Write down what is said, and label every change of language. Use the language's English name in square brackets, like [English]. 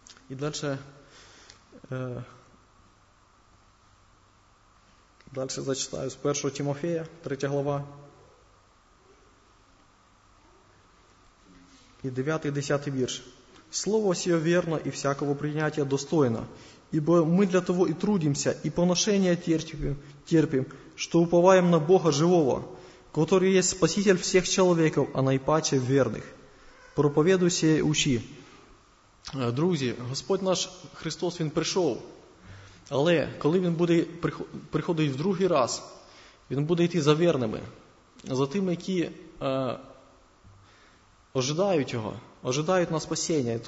[Ukrainian] І далі, далі зачитаю з 1 Тимофія, 3 глава. І 9, 10 вірш. Слово сіє вірно і всякого прийняття достойно. [Russian] Ибо мы для того и трудимся, и поношение терпим, что уповаем на Бога живого, который есть спаситель всех человеков, а наипаче верных. Проповедуй сие учи. [Ukrainian] Друзі, Господь наш Христос, Він прийшов. Але коли Він буде приходить в другий раз, Він буде йти за верними, за тими, які ожидають Його, ожидають на спасіння.